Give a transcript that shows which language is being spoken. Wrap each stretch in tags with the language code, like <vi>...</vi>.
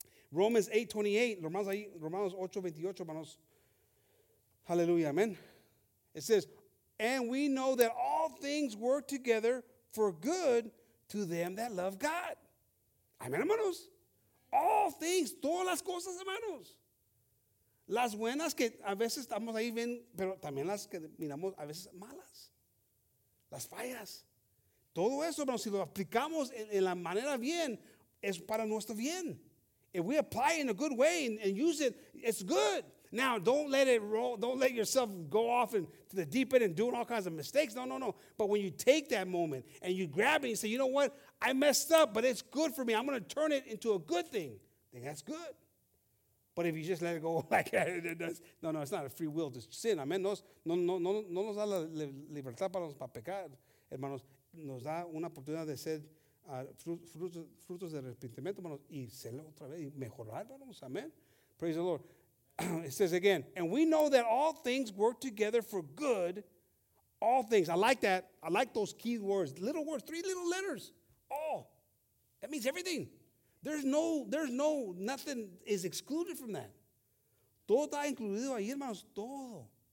<en>Romans 8:28,</en> <es>Romanos 8:28, hermanos.</es> <en>Hallelujah, amen. It says, and we know that all things work together for good to them that love God.</en> <es>Amen, hermanos.</es> <en>All things,</en> <es>todas las cosas, hermanos. Las buenas que a veces estamos ahí bien, pero también las que miramos a veces malas. Las fallas. Todo eso, hermanos, si lo aplicamos en la manera bien, es para nuestro bien.</es> <en>If we apply it in a good way and use it, it's good. Now, don't let it roll. Don't let yourself go off into the deep end and doing all kinds of mistakes. No, no, no. But when you take that moment and you grab it and you say, you know what? I messed up, but it's good for me. I'm going to turn it into a good thing. Then that's good. But if you just let it go like that, it does. No, no, it's not a free will to sin.</en> <es>Amen. No nos da la libertad para pecar, hermanos. Nos da una oportunidad de ser frutos de arrepentimiento, hermanos, y serlo otra vez y mejorar, hermanos.</es> <en>Amen. Praise the Lord. It says again, and we know that all things work together for good. All things. I like that. I like those key words. Little words. Three little letters. All. That means everything. Nothing is excluded from that.</en> <es>Todo está incluido ahí, hermanos. Todo.</es>